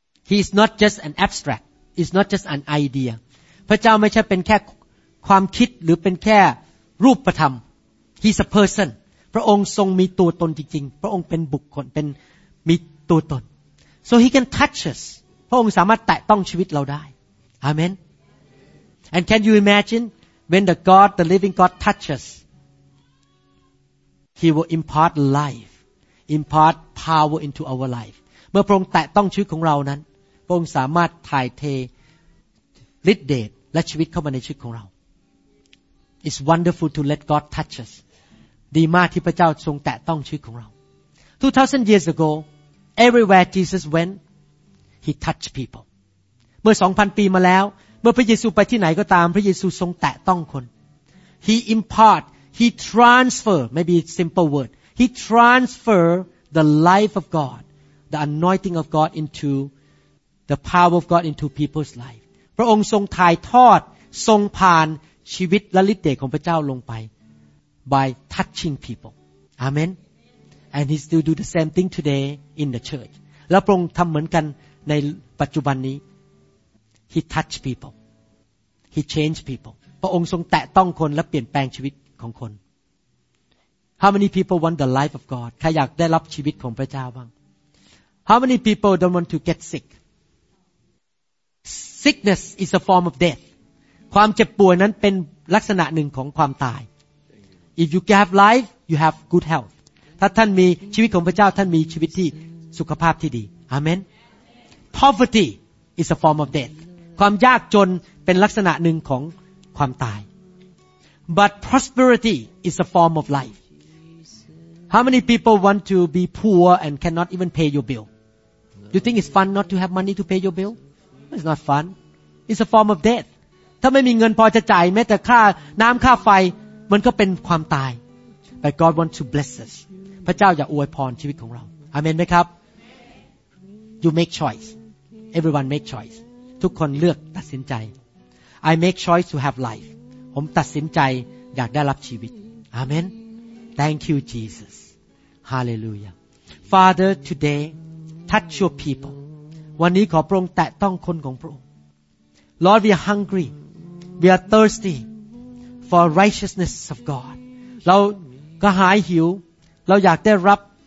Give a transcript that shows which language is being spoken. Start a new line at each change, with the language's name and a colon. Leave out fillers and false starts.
English: He is not just an abstract It's not just an idea
Thai: พระเจ้าไม่ใช่เป็นแค่ความคิดหรือเป็นแค่รูปธรรม
English: He's a person
Thai: พระองค์ทรงมีตัวตนจริงๆพระองค์เป็นบุคคลเป็นมีตัวตน
English: So he can touch us.
Thai: พระองค์สามารถแตะต้องชีวิตเราได้ Amen.
English: And can you imagine when the God, the living God touches, he will impart life, impart power into our life.
Thai: เมื่อพระองค์แตะต้องชีวิตของเรานั้นพระองค์สามารถถ่ายเทฤทธิ์เดชและชีวิตเข้ามาในชีวิตของเรา
English: It's wonderful to let God touch us.
Thai: ดีมากที่พระเจ้าทรงแตะต้องชีวิตของเรา
English: 2,000 years agoEverywhere Jesus went, he touched people.
Thai: เมื่อ 2,000 ปีมาแล้วเมื่อพระเยซูไปที่ไหนก็ตามพระเยซูทรงแตะต้องคน
English: He impart, he transfer, maybe it's simple word, he transfer the life of God, the anointing of God into the power of God into people's life.
Thai: พระองค์ทรงถ่ายทอดทรงผ่านชีวิตและฤทธิ์เดชของพระเจ้าลงไป
English: by touching people.
Thai: Amen.
English: And he still do the same thing today in the church.
Thai: แล้วพระองค์ทำเหมือนกันในปัจจุบันนี้
English: He touch people. He change people.
Thai: พระองค์ทรงแตะต้องคนและเปลี่ยนแปลงชีวิตของคน
English: How many people want the life of God?
Thai: ใครอยากได้รับชีวิตของพระเจ้าบ้าง
English: How many people don't want to get sick? Sickness is a form of death.
Thai: ความเจ็บป่วยนั้นเป็นลักษณะหนึ่งของความตาย
English: If you have life, you have good health.
Thai: ถ้าท่านมีชีวิตของพระเจ้าท่านมีชีวิตที่สุขภาพที่ดีอาเมน
English: Poverty is a form of death
Thai: ความยากจนเป็นลักษณะหนึ่งของความตาย
English: But prosperity is a form of life How many people want to be poor and cannot even pay your bill? You think it's fun not to have money to pay your bill? It's not fun It's a form of death
Thai: ถ้าไม่มีเงินพอจะจ่ายแม้แต่ค่าน้ำค่าไฟมันก็เป็นความตาย
English: But God wants to bless us
Thai: พระเจ้าอยากอวยพรชีวิตของเราอาเมนไหมครับ
English: You make choice Everyone make choice
Thai: ทุกคนเลือกตัดสินใจ
English: I make choice to have life
Thai: ผมตัดสินใจอยากได้รับชีวิตอาเมน
English: Thank you Jesus Hallelujah Father today touch your people
Thai: วันนี้ขอพระองค์แตะต้องคนของพระองค์
English: Lord we are hungry we are thirsty for righteousness of God
Thai: เราก็หายหิวเราอยากได้รับ